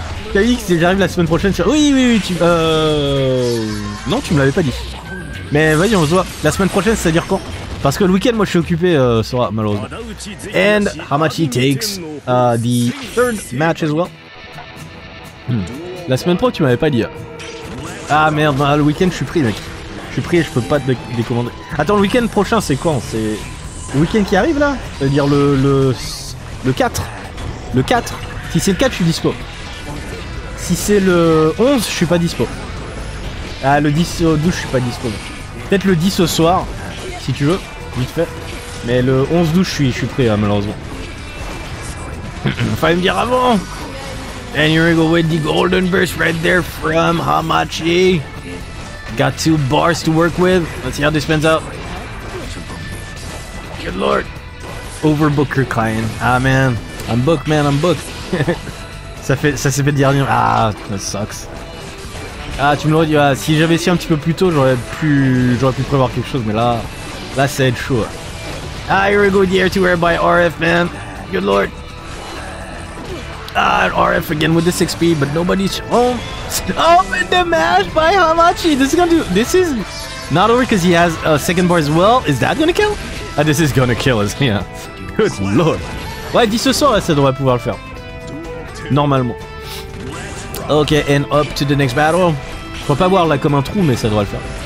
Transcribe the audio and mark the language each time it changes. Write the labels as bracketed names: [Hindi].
[French] T'as dit que si j'arrive la semaine prochaine sur... Oui, tu... Non, tu me l'avais pas dit. Mais vas-y, on se voit. La semaine prochaine, c'est-à-dire quand? Parce que le week-end, moi, je suis occupé, Sora, malheureusement. [English] And Hamachi takes the third match as well. [French] La semaine pro, tu m'avais pas dit. Ah merde, bah, le week-end, je suis pris, mec. Je suis pris et je peux pas te décommander. Attends, le week-end prochain, c'est quand? C'est le week-end qui arrive, là? C'est-à-dire le 4. Le 4. Si c'est le 4, je suis dispo. Si c'est le 11, je suis pas dispo. Ah, le 10 au 12, je suis pas dispo. Mec. Peut-être le 10 au soir, si tu veux, vite fait. Mais le 11-12, je suis prêt, hein, malheureusement. Fallait me dire avant. [English] And here we go with the golden burst right there from Hamachi. Got two bars to work with. Let's see how this pans out. Good lord. [French] Overbooker client. [English] Ah man. I'm booked. [French] ça s'est fait dernier. [English] Ah, that sucks. [French] Ah, tu me l'aurais dit. Ah, si j'avais essayé un petit peu plus tôt, j'aurais pu prévoir quelque chose. Mais là, ça va être chaud. [English] Ah, here we go with the air to air by RF, man. Good lord. RF again with the 6P, but nobody's home. Stop in the mash by Hamachi. This is not over because he has a second bar as well. Is that gonna kill? This is gonna kill us, yeah. Good lord. [French] Ouais, dis ce soir, ça devrait pouvoir le faire. Normalement. [English] Okay, and up to the next battle. [French] Faut pas voir là comme un trou, mais ça devrait le faire.